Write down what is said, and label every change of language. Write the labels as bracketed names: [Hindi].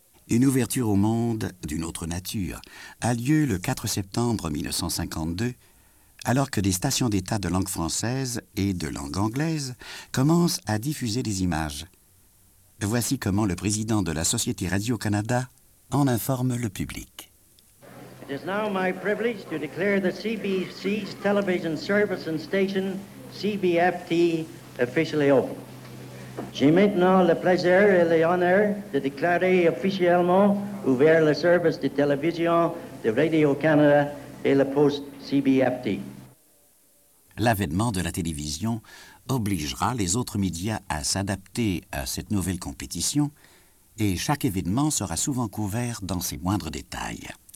[French] Une ouverture au monde d'une autre nature a lieu le 4 septembre 1952, alors que des stations d'État de langue française et de langue anglaise commencent à diffuser des images. Voici comment le président de la Société Radio-Canada en informe le public. [English] It is now my privilege to declare the CBC's television service and station, CBFT, officially open. [French] J'ai maintenant le plaisir et l'honneur de déclarer officiellement ouvert le service de télévision de Radio-Canada et le poste CBFT. L'avènement de la télévision obligera les autres médias à s'adapter à cette nouvelle compétition et chaque événement sera souvent couvert dans ses moindres détails.